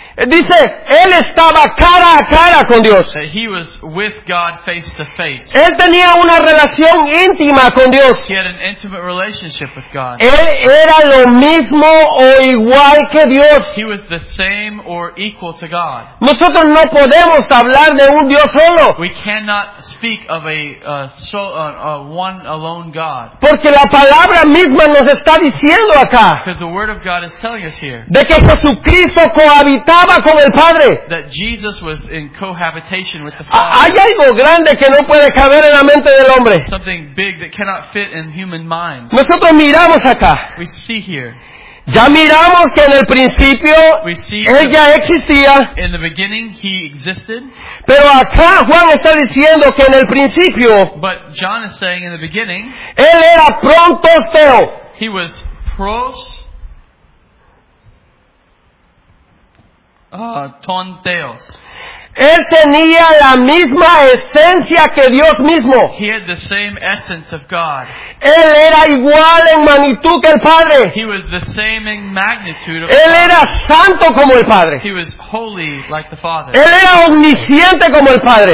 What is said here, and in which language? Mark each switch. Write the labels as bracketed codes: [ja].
[es] Dice, él estaba cara a cara con Dios. [en] He was with God face to face. [es] Él tenía una relación íntima con Dios. [en] He had an intimate relationship with God. [es] Él era lo mismo o igual que Dios. [en] He was the same or equal to God. [es] Nosotros no podemos hablar de un Dios solo. [en] We cannot speak of one alone God. [es] Porque la palabra misma nos está diciendo acá. [en] Because the word of God is telling us here. [es] De que Jesucristo cohabitaba. [en] That Jesus was in cohabitation with the Father. [es] Hay algo grande que no puede caber en la mente del hombre. [en] Something big that cannot fit in human mind. [es] Nosotros miramos acá. [en] We see here. [es] Ya miramos que en el principio él ya existía. [en] In the beginning he existed. [es] Pero acá Juan está diciendo que en el principio. [en] But John is saying in the beginning. [es] Él era prontos theo. [en] He was pros. Tonteos. [es] Él tenía la misma esencia que Dios mismo. [en] He had the same essence of God. [es] Él era igual en magnitud que el Padre. [en] He was the same in magnitude of [es] Él [en] God. [es] Era santo como el Padre. [en] He was holy like the Father. [es] Él era omnisciente como el Padre.